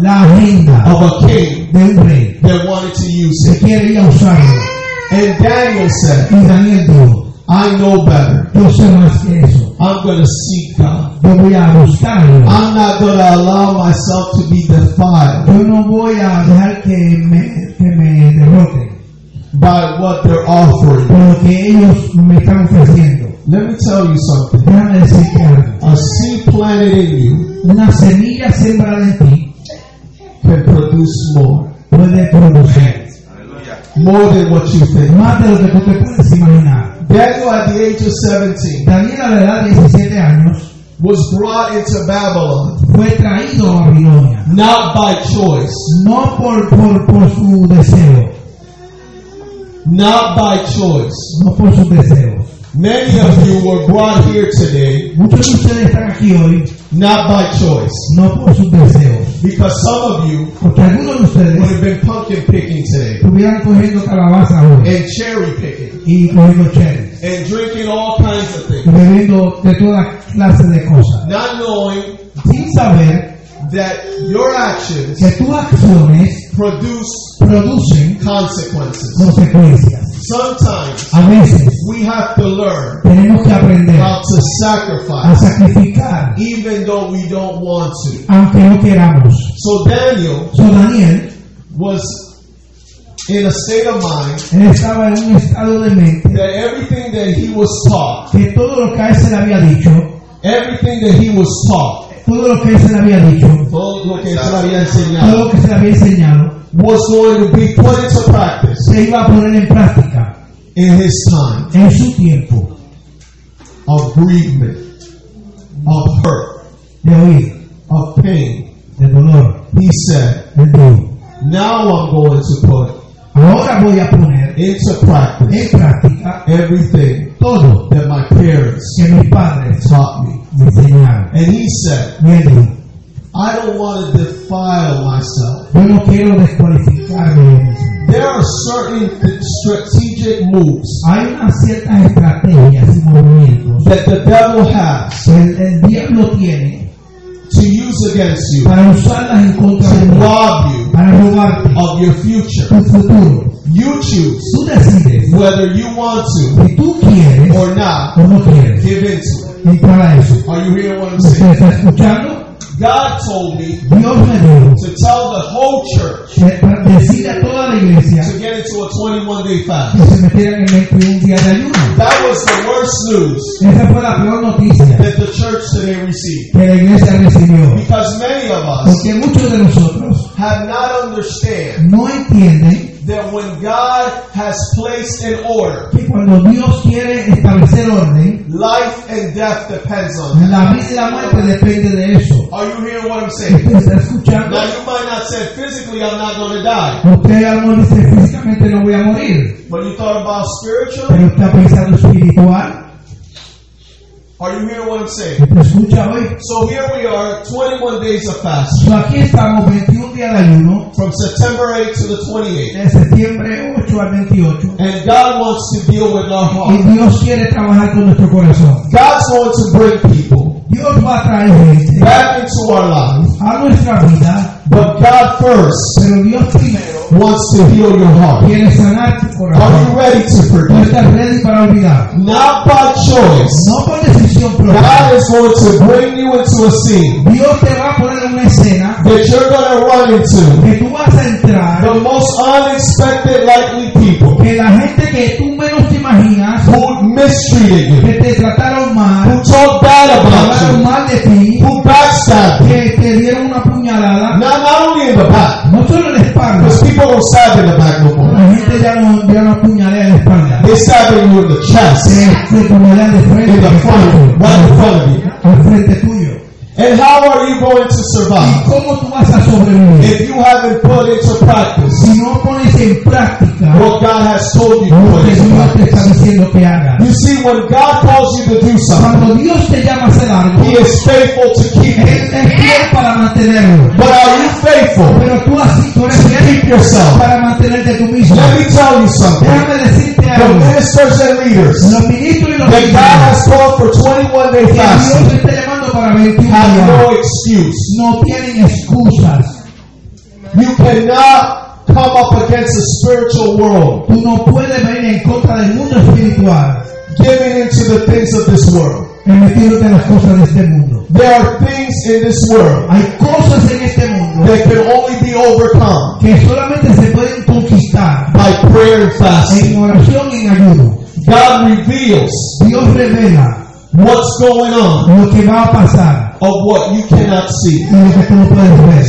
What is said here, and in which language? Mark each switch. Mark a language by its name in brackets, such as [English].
[Spanish] la agenda, [English] of a king, [Spanish] de un rey, [English] that wanted to use it, [Spanish] que quería usarlo. [English] And Daniel said, [Spanish] y Daniel dijo, [English] I know better. [Spanish] Yo sé más que eso. [English] I'm going to seek God. [Spanish] Yo voy a buscarlo. [English] I'm not going to allow myself to be defiled. [Spanish] Yo no voy a dejar que me derrote. [English] By what they're offering. [Spanish] Por lo que ellos me están ofreciendo. [English] Let me tell you something. [Spanish] Déjame decirte algo. [English] A seed planted in you, [Spanish] una semilla sembrada en ti, [English] can produce more. [Spanish] Puede producir. [English] More than what you think. [Spanish] Más de lo que tú te puedes imaginar. [English] Daniel, at the age of 17, [Spanish] Daniel, a la edad de 17 años, [English] was brought into Babylon, [Spanish] fue traído a Babilonia, [English] not by choice, [Spanish] no por su deseo, [English] not by choice, [Spanish] no por su deseo. [English] Many of you were brought here today, [Spanish] muchos de ustedes están aquí hoy, [English] not by choice, [Spanish] no por su deseo, [English] because some of you, [Spanish] porque algunos de ustedes, [English] would have been pumpkin picking today, [Spanish] estuvieran cogiendo calabaza hoy, [English] and cherry picking, [Spanish] y cogiendo cherries, [English] and drinking all kinds of things, [Spanish] y bebiendo de toda clase de cosas, [English] not knowing, [Spanish] sin saber, [English] that your actions, [Spanish] que tus acciones, producen consecuencias. [English] Sometimes, [Spanish] a veces, [English] we have to learn, [Spanish] tenemos que aprender, [English] how to sacrifice, [Spanish] a sacrificar, [English] even though we don't want to, [Spanish] aunque no queramos. [English] So Daniel [Spanish] Daniel [English] was in a state of mind, [Spanish] él estaba en un estado de mente, [English] that everything that he was taught, [Spanish] que todo lo que él se le había dicho, [English] everything that he was taught, [Spanish] todo lo que él se le había dicho, todo lo que se le había enseñado, [English] was going to be put into practice, [Spanish] se iba a poner en práctica, [English] in his time, [Spanish] en su tiempo, [English] of bereavement, of hurt, [Spanish] de oír, [English] of pain, [Spanish] de dolor. [English] He said, [Spanish] de Dios, [English] now I'm going to put, [Spanish] ahora voy a poner, [English] into practice, [Spanish] en práctica, [English] everything, [Spanish] todo, [English] that my parents, [Spanish] que mis padres, [English] taught me, [Spanish] me enseñaron. [English] And he said, [Spanish] de Dios, [English] I don't want to defile myself. [Spanish] Yo no quiero descualificarme. [English] There are certain strategic moves, [Spanish] hay una cierta estrategia, y movimientos, [English] that the devil has, [Spanish] que el diablo tiene, [English] to use against you, [Spanish] para usarlas en contra [English] de, to rob you, [Spanish] para robarte, [English] of your future, [Spanish] tu futuro. [English] You choose, [Spanish] tú decides, [English] whether you want to, [Spanish] si tú quieres, [English] or not, [Spanish] o no quieres, [English] give in to it. [Spanish] Y para eso. [English] Are you hearing what I'm saying? [Spanish] ¿Estás escuchando? [English] God told me, [Spanish] Dios me dijo, [English] to tell the whole church, [Spanish] decir a toda la iglesia, [English] to get into a 21-day fast. [Spanish] Que se metieran en 21 días de ayuno. [English] That was the worst news. [Spanish] Esa fue la peor noticia [English] that the church today received. [Spanish] Que la iglesia recibió. [English] Because many of us, [Spanish] porque muchos de nosotros, [English] have not understand, [Spanish] no entienden, [English] that when God has placed an order, [Spanish] que cuando Dios quiere establecer orden, [English] life and death depends on [Spanish] la vida y la muerte depende de eso. [English] Are you hearing what I'm saying? [Spanish] ¿Estás escuchando? [English] Now you might not say physically I'm not going to die. [Spanish] Usted no dice físicamente no voy a morir. [English] But you thought about spiritual? [Spanish] ¿Pero está pensando espiritual? [English] Are you hearing what I'm saying? [Spanish] ¿Te escucha hoy? [English] So here we are, 21 days of fast. [Spanish] So aquí estamos, 21 días de ayuno. [English] From September 8 to the 28th. [Spanish] De septiembre 8 al 28. [English] And God wants to deal with our heart. [Spanish] Y Dios quiere trabajar con nuestro corazón. [English] God's going to bring people, [Spanish] Dios va a traer gente, [English] back into our lives, [Spanish] a nuestra vida. [English] But God first, [Spanish] pero Dios primero, [English] wants to heal your heart. [Spanish] Quiere sanar tu corazón. [English] Are you ready to forgive? [Spanish] ¿Estás ready para olvidar? [English] Not by choice. [Spanish] No por decisión propia. [English] God is going to bring you into a scene, [Spanish] Dios te va a poner en una escena, [English] that you're going to run into, [Spanish] que tú vas a entrar, [English] the most unexpected likely people, [Spanish] que la gente que tú menos te imaginas, [English] who mistreated you, [Spanish] que te trataron mal, [English] who talked bad about you, [Spanish] mal de ti, [English] who backstabbed, [Spanish] que te dieron una puñalada. [English] Not only in the back. [Spanish] No solo en la espalda. [English] Because people don't stab in the back no more. [Spanish] La gente ya no apuñalea en la espalda. [English] They stab in you in the chest. [Spanish] Se apuñalea de frente. [English] In the front. Right in front of you. [Spanish] Al frente tuyo. [English] And how are you going to survive? [Spanish] ¿Y cómo tú vas a sobrevivir? [English] If you haven't put into practice, [Spanish] si no pones en práctica, [English] what God has told you to put into practice, [Spanish] te está diciendo que hagas. [English] You see, when God calls you to do something, [Spanish] cuando Dios te llama a hacer algo, [English] He is faithful to keep [Spanish] Él [English] it. [Spanish] Es fiel para mantenerlo. [English] But are you faithful, [Spanish] pero tú así, tú eres [English] to [Spanish] fiel [English] keep yourself, [Spanish] para mantenerte tú mismo? [English] Let me tell you something. [Spanish] Déjame decirte algo. [English] The ministers and leaders, [Spanish] los ministros y los [English] that [Spanish] ministros, [English] God has called for 21-day fasting, have no excuse. [Spanish] No tienen excusas. [English] You cannot come up against the spiritual world. [Spanish] Tú no puedes venir en contra del mundo espiritual. [English] Giving into the things of this world. [Spanish] En metiéndote las cosas de este mundo. [English] There are things in this world, [Spanish] hay cosas en este mundo, [English] that can only be overcome, [Spanish] que solamente se pueden conquistar, [English] by prayer and fasting. [Spanish] En oración y en ayuno. [English] God reveals, [Spanish] Dios revela, [English] what's going on, [Spanish] lo que va a pasar, [English] of what you cannot see, [Spanish] de lo que tú no puedes ver.